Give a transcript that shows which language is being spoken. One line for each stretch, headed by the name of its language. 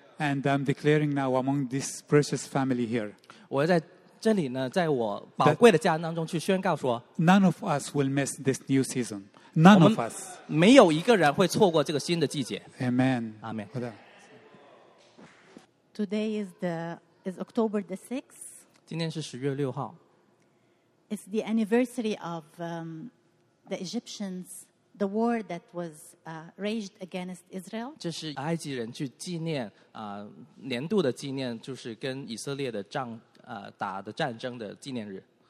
English: And I'm declaring now among this precious family here.
Chinese: 我在这里呢，在我宝贵的家当中去宣告说，
English: None of us will miss this new season. None of us.
Chinese: 没有一个人会错过这个新的季节。
English: Amen. Amen. Today is October the 6th.
Chinese: 今天是10月6号.
English: It's the anniversary of the Egyptians, the war that was raged against Israel.
Chinese: 这是埃及人去纪念, 年度的纪念, 就是跟以色列的仗, 打的战争的纪念日。